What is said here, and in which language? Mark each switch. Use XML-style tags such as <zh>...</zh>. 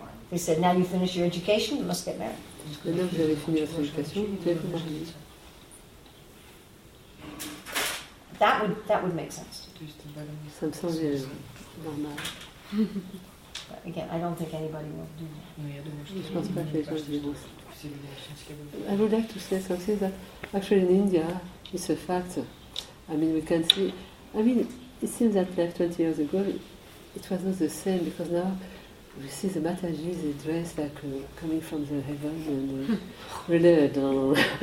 <en>They said, now you finish your education, you must get married.</en> <fr>Maintenant vous avez fini votre éducation, vous devez vous marier.</fr> <en>That would make sense.</en> <fr>Ça me semble normal.</fr> <en>But again, I don't think anybody will do that.</en> <fr>Je pense pas que les gens diront ça.</fr> <en>I would like to say something that actually in India it's a fact. I mean, we can see. I mean, it seems that like 20 years ago, it was not the same because now we see the Matajis dressed like coming from the heavens and really.</en>